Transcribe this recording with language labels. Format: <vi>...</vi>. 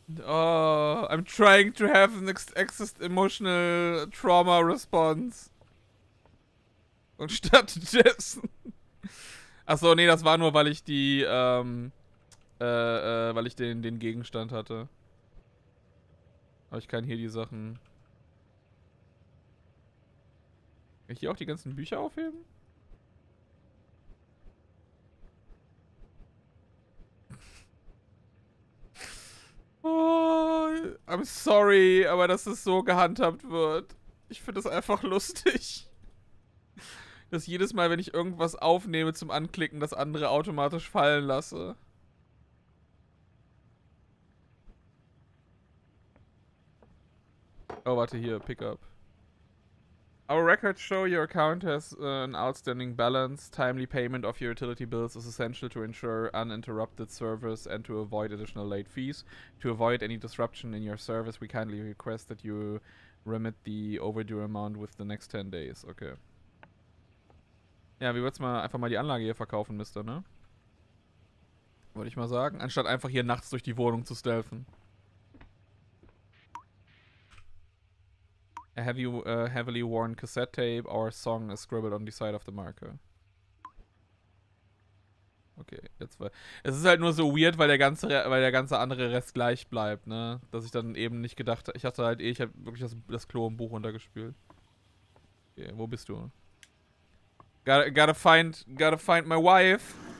<en>Oh, I'm trying to have an emotional trauma response.</en> <de>Und stattdessen. Achso, nee, das war nur, weil ich die, weil ich den Gegenstand hatte. Aber ich kann hier die Sachen. Kann ich hier auch die ganzen Bücher aufheben?</de> <en>Oh, I'm sorry,</en> <de>aber dass es so gehandhabt wird. Ich finde das einfach lustig. Dass jedes Mal, wenn ich irgendwas aufnehme zum Anklicken, das andere automatisch fallen lasse. Oh, warte, hier, Pickup.</de> <en>Our records show your account has an outstanding balance. Timely payment of your utility bills is essential to ensure uninterrupted service and to avoid additional late fees. To avoid any disruption in your service, we kindly request that you remit the overdue amount with the next 10 days. Okay.</en> <de>Ja, wir würden mal einfach mal die Anlage hier verkaufen, Mister, ne? Würde ich mal sagen. Anstatt einfach hier nachts durch die Wohnung zu stealthen.</de> <en>A heavy, heavily worn cassette tape. Our song is scribbled on the side of the marker.</en> <de>Okay, jetzt war... Es ist halt nur so weird, weil der ganze andere Rest gleich bleibt, ne? Dass ich dann eben nicht gedacht... Ich hatte halt eh... Ich hab wirklich das Klo im Buch runtergespült. Okay, wo bist du?</de> <en>Gotta find my wife.</en>